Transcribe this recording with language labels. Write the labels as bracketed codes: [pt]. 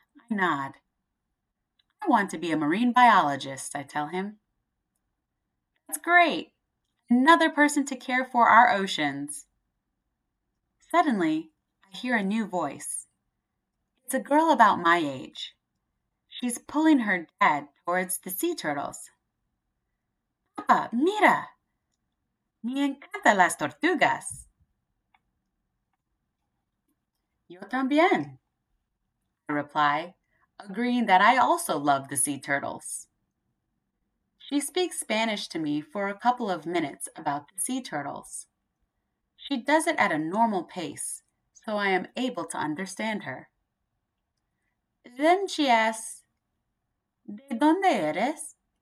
[en] I nod. I want to be a marine biologist, I tell him. That's great. Another person to care for our oceans. Suddenly, I hear a new voice. It's a girl about my age. She's pulling her dad towards the sea turtles. [es] Papa, mira. Me encantan las tortugas. Yo también, [en] I reply, agreeing that I also love the sea turtles. She speaks Spanish to me for a couple of minutes about the sea turtles. She does it at a normal pace, so I am able to understand her. Then she asks, [es] ¿De dónde eres?